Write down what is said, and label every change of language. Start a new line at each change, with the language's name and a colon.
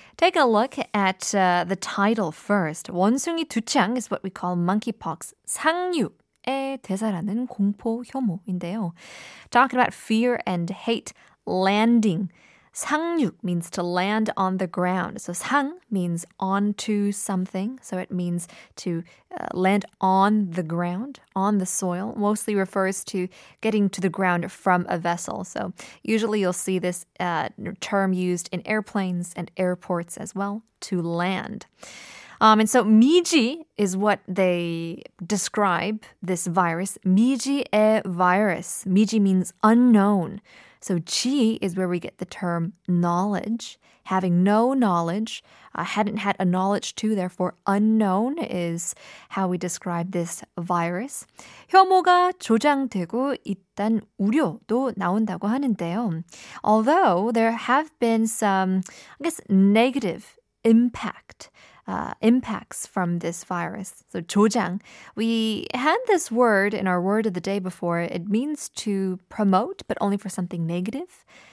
English: Take a look at the title first.
Korean: 원숭이 두창
English: is what we call monkeypox.
Korean: 상륙. 대사라는 공포 혐오인데요.
English: Talking about fear and hate, landing. 상륙 means to land on the ground. So 상 means onto something. So it means to land on the ground, on the soil. Mostly refers to getting to the ground from a vessel. So usually you'll see this term used in airplanes and airports as well, to land. And so 미지 is what they describe this virus. 미지의 virus. 미지 means unknown. So 지 is where we get the term knowledge. Having no knowledge, hadn't had a knowledge to, therefore unknown is how we describe this virus.
Korean: 혐오가 조장되고 있단 우려도 나온다고 하는데요.
English: Although there have been some, I guess, negative impacts from this virus. So 조장. We had this word in our word of the day before. It means to promote, but only for something negative.